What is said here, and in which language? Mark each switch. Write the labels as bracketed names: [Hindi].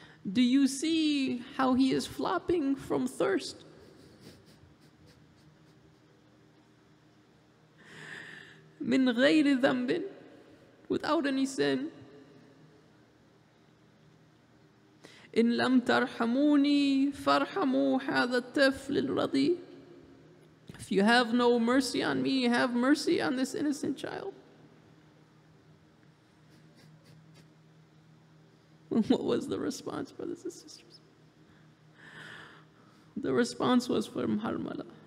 [English] Do you see how he is flopping from thirst? [Arabic] من غير ذنب, [English] without any sin. [Arabic] إن لم ترحموني فارحموا هذا الطفل الرضيع. [English] If you have no mercy on me, have mercy on this innocent child. What was the response, brothers and sisters? The response was from Muharramala.